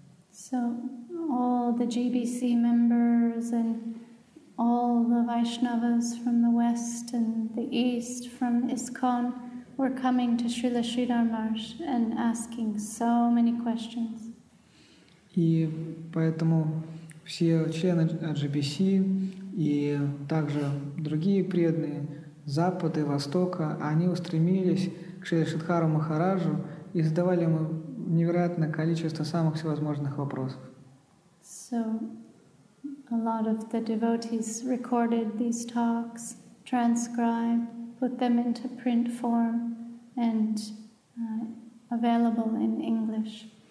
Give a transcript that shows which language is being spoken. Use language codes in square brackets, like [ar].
[en] So all the GBC members and all the Vaishnavas from the West and the East from ISKCON were coming to Srila Sridhar Maharaj and asking so many questions. [ru] И поэтому все члены GBC и также другие преданные Запада и Востока, они устремились к Шри Шридхару Махараджу и задавали ему невероятное количество самых всевозможных вопросов. [en] So, a lot of the devotees recorded these talks, transcribed, put them into print form and available in English.